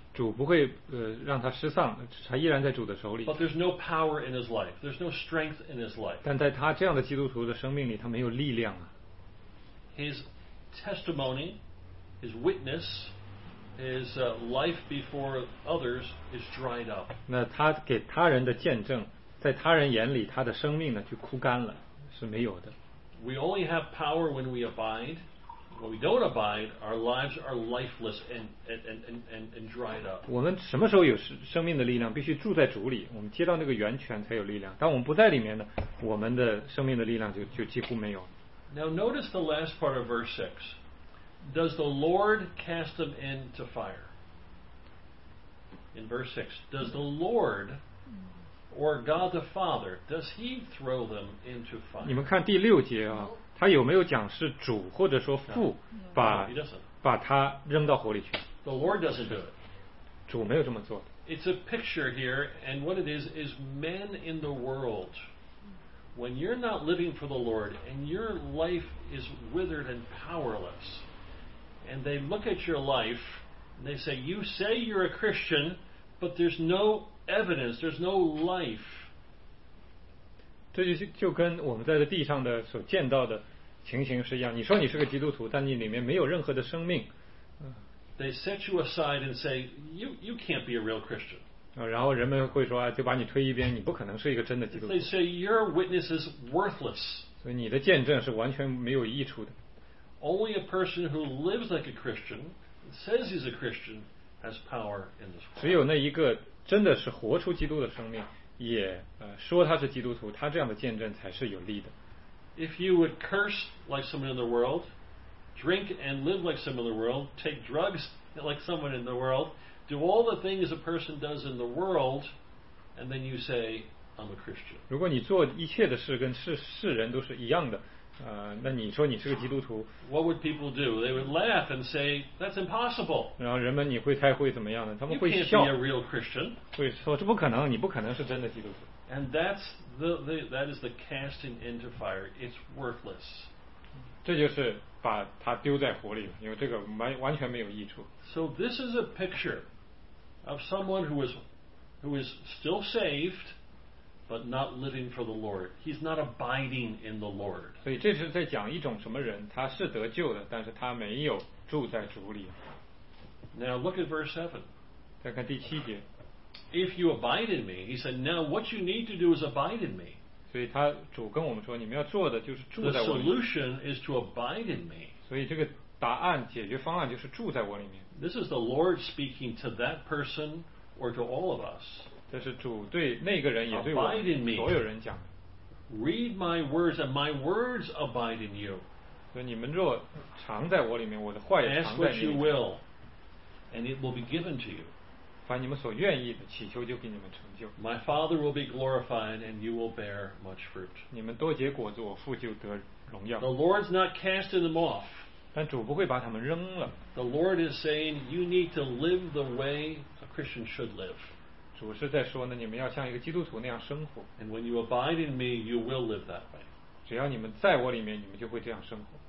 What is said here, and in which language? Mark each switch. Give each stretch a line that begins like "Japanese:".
Chinese: 主不会让他失丧，他依然在主的手里。
English: But there's no power in his life. There's no strength in his life.
Chinese: 但在他这样的基督徒的生命里，他没有力量啊。
English: His testimony, his witness, his life before others is dried up.
Chinese: 那他给他人的见证。在他人眼里，他的生命呢就枯干了，是没有的。
English: We only have power when we abide. When we don't abide, our lives are lifeless and dried up.
Chinese: 我们什么时候有生命的力量？必须住在主里。我们接到那个源泉才有力量。当我们不在里面呢，我们的生命的力量就几乎没有。
English: Now notice the last part of verse 6. Does the Lord cast them into fire? In verse 6, does the Lord or God the Father, does he throw them into fire?
Chinese: 你们看第六节啊, 他有没有讲是主或者说父把把他扔到火里去？
English: The Lord doesn't do it.
Chinese: 主没有这么做。
English: It's a picture here, and what it is men in the world. When you're not living for the Lord, and your life is withered and powerless, and they look at your life, and they say, you say you're a Christian, but there's no evidence, there's no life.
Chinese: 这就跟我们在这地上的所见到的情形是一样，你说你是个基督徒，但你里面没有任何的生命。
English: They set you aside and say, you can't be a real Christian.
Chinese: 然后人们会说，就把你推一边，你不可能是一个真的基督徒。
English: They say, your witness is worthless.
Chinese: 所以你的见证是完全没有益处的。
English: Only a person who lives like a Christian, says he's a Christian, has power in this world.
Chinese: 只有那一个真的是活出基督的生命。也说他是基督徒，他这样的见证才是有利的。
English: If you would curse like someone in the world, drink and live like someone in the world, take drugs like someone in the world, do all the things a person does in the world, and then you say, I'm a Christian.
Chinese: 如果你做一切的事跟世人都是一样的，那你说你是个基督徒。
English: What would people do? They would laugh and say, that's impossible.
Chinese: 然后人们你会猜会怎么样呢？他们会笑。
English: You can't be a real Christian.
Chinese: 会说这不可能，你不可能是真的基督徒。
English: And that's that is the casting into fire. It's worthless.
Chinese: 这就是把它丢在火里，因为这个完全没有益处。
English: So this is a picture of someone who is still saved. But not living for the Lord, he's not abiding in the Lord.
Chinese: 所以这是在讲一种什么人？他是得救的，但是他没有住在主里。
English: Now look at verse 7.
Chinese: 再看第七节。
English: If you abide in me, he said, now what you need to do is abide in me.
Chinese: 所以他主跟我们说，你们要做的就是住在我里。
English: The solution is to abide in me.
Chinese: 所以这个答案解决方案就是住在我里面。
English: This is the Lord speaking to that person or to all of us.
Chinese: 这是主对那个人也对我所有人讲的。
English: Read my words and my words abide in you.
Chinese: 所以你们若藏在我里面，我的话也藏在你里面。
English: Ask what you will, and it will be given to you.
Chinese: 凡你们所愿意的，祈求就给你们成就。
English: My Father will be glorified, and you will bear much fruit.
Chinese: 你们多结果子，我父就得荣耀。
English: The Lord's not casting them off.
Chinese: 但主不会把他们扔了。
English: The Lord is saying you need to live the way a Christian should live.
Chinese: 主是在说呢，你们要像一个基督徒那样生活。
English: And when you abide in me, you will live that way.
Chinese: 只要你们在我里面，你们就会这样生活。